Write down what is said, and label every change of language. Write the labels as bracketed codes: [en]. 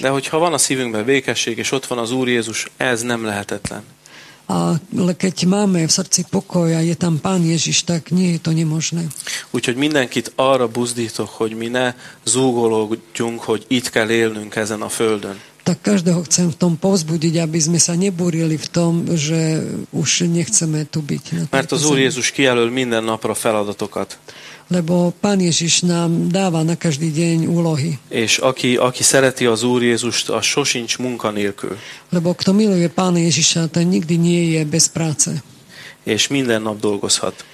[hu] De hogyha van a szívünkben békesség, és ott van az Úr Jézus, ez nem lehetetlen. [sk] A keď máme v srdci pokoj a je tam Pán Ježiš, tak nie je to nemožné. [hu] Úgyhogy mindenkit arra buzdítok, hogy mi ne zúgolódjunk, hogy itt kell élnünk ezen a földön. [sk] Tak každého chcem v tom povzbudiť, aby sme sa nebúrili v tom, že už nechceme tu byť. [hu] Mert az Úr Jézus kijelöl minden napra feladatokat. [sk] Lebo Pán Ježiš nám dáva na každý deň úlohy. [hu] És aki szereti az Úr Jézust, az sosincs munka nélkül. [sk] Lebo kto miluje Pána Ježiša, ten nikdy nie je bez práce. [hu] És minden nap dolgozhat.